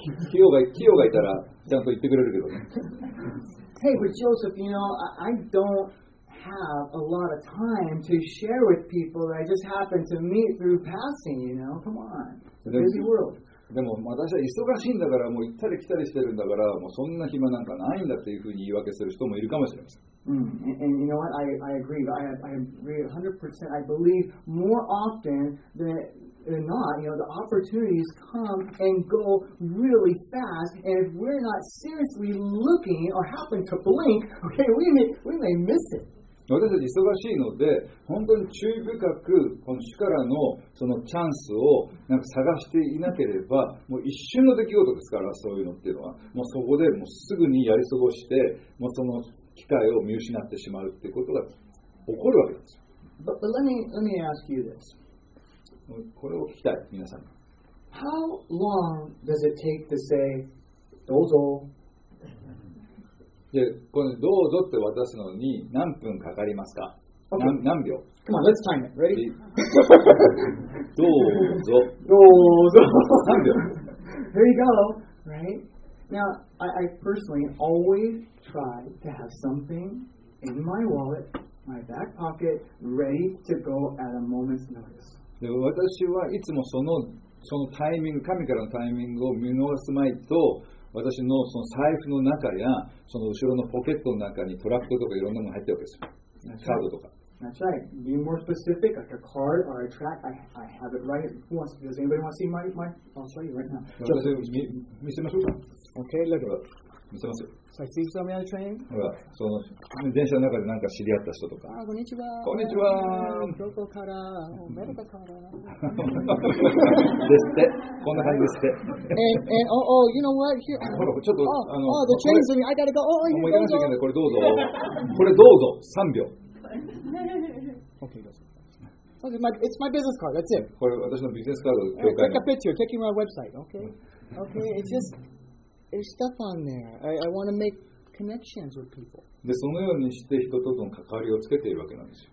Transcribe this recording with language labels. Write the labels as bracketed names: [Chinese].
[Japanese] キヨがいたら、ちゃんと言ってくれるけどね。 [English] Hey, but Joseph, you know, I don't. Have a lot of time to share with people that I just happen to meet through passing, you know? Come on. It's a busy world. [Japanese] でも私は忙しいんだから、もう行ったり来たりしてるんだから、もうそんな暇なんかないんだというふうに言い訳する人もいるかもしれません。 [English] And you know what? I agree. I agree 100%. I believe more often than not, you know, the opportunities come and go really fast, and if we're not seriously looking or happen to blink, okay, we may miss it. [Japanese] 私たち忙しいので、本当に注意深く、この主からのそのチャンスをなんか探していなければ、もう一瞬の出来事ですから、そういうのっていうのは。もうそこでもうすぐにやり過ごして、もうその機会を見失ってしまうっていうことが起こるわけです。 [English] But let me ask you this. [Japanese] これを聞きたい、皆さん。 [English] How long does it take to say, [Japanese] どうぞ。でこのどうぞって渡すのに何分かかりますか、 [English] okay. [Japanese] 何秒 [English] Come on, let's time it. Ready? [Japanese] どうぞ。どうぞ。何秒 [English] There you go. Right? Now, I personally always try to have something in my wallet, my back pocket, ready to go at a moment's notice. [Japanese] で私はいつもそのタイミング、神からのタイミングを見逃すまいと、私のその財布の中やその後ろのポケットの中にトラックとかいろんなものが入ってるわけですよ。カードとか。 [English] That's right. Be more specific, like a card or a track. I have it right. Who wants to? Does anybody want to see my? I'll show you right now. [Japanese] 見せましょうか。 [English] Okay, look at it. [Japanese] 見せますよ。 [English] So I see you on the other train. [Japanese] ほら、その電車の中でなんか知り合った人とか。あ、こんにちは。こんにちは。どこから？アメリカから。ですって。こんな感じですって。 [English] And oh, oh, you know what? Here. [Japanese] ほら、ちょっと、 [English] Oh, the train is coming. I gotta go. Oh, you don't know. [Japanese] これどうぞ。これどうぞ。3秒。 [English] Okay, [Japanese] どうぞ。 [English] So it's my business card. That's it. [Japanese] これ私のビジネスカード。 [English] Take a picture. Take my website. Okay. Okay, it's just.There's stuff on there. I want to make connections with people. [Japanese] で、そのようにして人との関わりをつけているわけなんですよ。